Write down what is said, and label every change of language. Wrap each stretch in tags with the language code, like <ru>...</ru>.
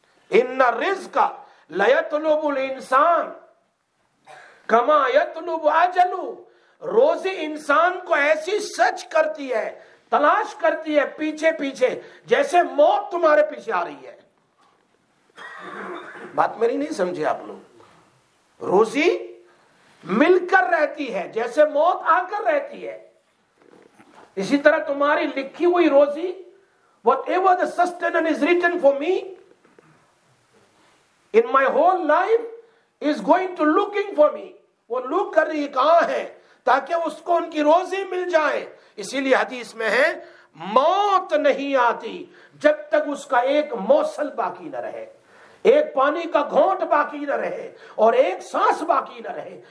<ar>اِنَّ الرِّزْقَ لَيَطْلُبُ الْإِنسَانِ كَمَا يَطْلُبُ عَجَلُ،</ar> <ur>روزی انسان کو ایسی سرچ کرتی ہے، تلاش کرتی ہے پیچھے پیچھے جیسے موت تمہارے پیچھے آ رہی ہے. بات میری نہیں سمجھے آپ لوگ؟ روزی مل کر رہتی ہے جیسے موت آ کر رہتی ہے. اسی طرح تمہاری لکھی ہوئی روزی،</ur> <en>whatever the sustenance is written for me in my whole life is going to looking for me.</en> <ur>وہ لوک کر رہی کہاں ہے تاکہ اس کو ان کی روزی مل جائے. اسی لیے حدیث میں ہے موت نہیں آتی جب تک اس کا ایک موصل باقی نہ رہے، ایک پانی کا گھونٹ باقی نہ رہے اور ایک سانس باقی نہ رہے.</ur>